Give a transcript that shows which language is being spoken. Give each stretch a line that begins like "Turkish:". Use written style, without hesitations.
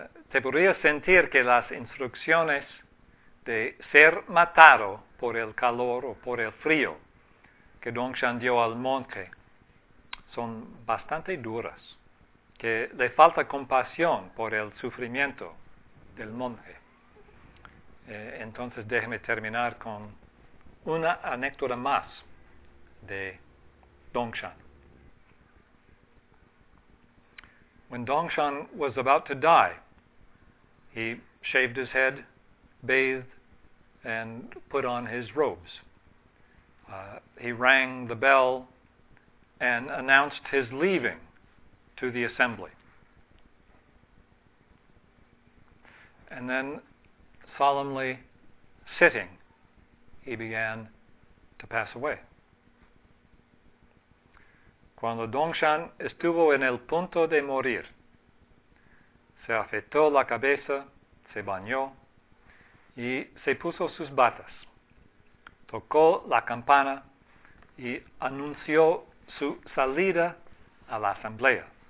Spanish: Te podría sentir que las instrucciones de ser matado por el calor o por el frío que Dongshan dio al monje son bastante duras, que le falta compasión por el sufrimiento del monje. Entonces déjeme terminar con una anécdota más de Dongshan.
English: When Dongshan was about to die, he shaved his head, bathed, and put on his robes. He rang the bell and announced his leaving to the assembly. And then, solemnly sitting, he began to pass away.
Spanish: Cuando Dongshan estuvo en el punto de morir, se afeitó la cabeza, se bañó, y se puso sus batas, tocó la campana y anunció su salida a la asamblea.